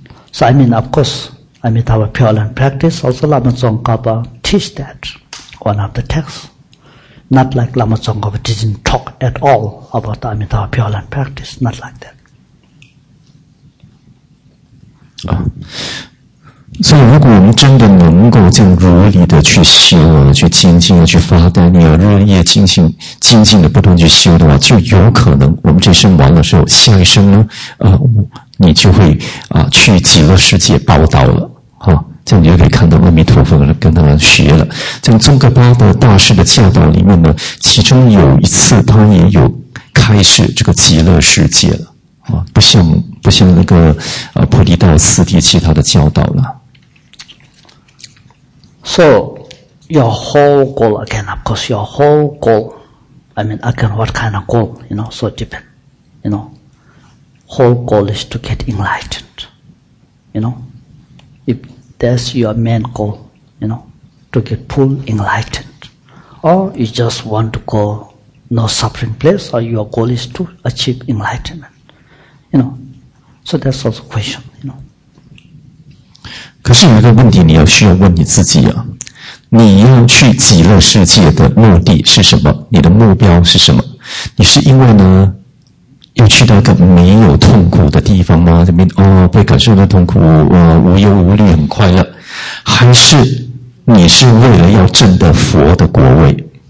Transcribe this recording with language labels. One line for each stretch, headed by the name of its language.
English: So I mean, of course, Amitabha Pure Land practice, also Lama Tsongkhapa teach that, one of the texts. Not like Lama Tsongkhapa didn't talk at all about the Amitabha Pure Land practice, not like that.
Chinese: 所以如果我们真的能够这样如理的去修啊，去精进啊，去发呆，你要日夜精进的不断去修的话，就有可能我们这生完了之后，下一生呢你就会去极乐世界报道了啊，这样你就可以看到阿弥陀佛跟他学了。在宗喀巴的大师的教导里面呢，其中有一次他也有开示这个极乐世界了。不像那个菩提道四谛其他的教导了。
English: So your whole goal again, of course, your whole goal. I mean, again, what kind of goal? You know, so depend. You know, whole goal is to get enlightened. You know, if that's your main goal, you know, to get full enlightened, or you just want to go no suffering place, or your goal is to achieve enlightenment. You know, so that's also a question, you know.
Chinese: 可是有一个问题你要需要问你自己啊，你要去极乐世界的目的是什么？你的目标是什么？你是因为呢，要去到一个没有痛苦的地方吗？这边哦，被感受到痛苦，无忧无虑，很快乐，还是你是为了要证得佛的果位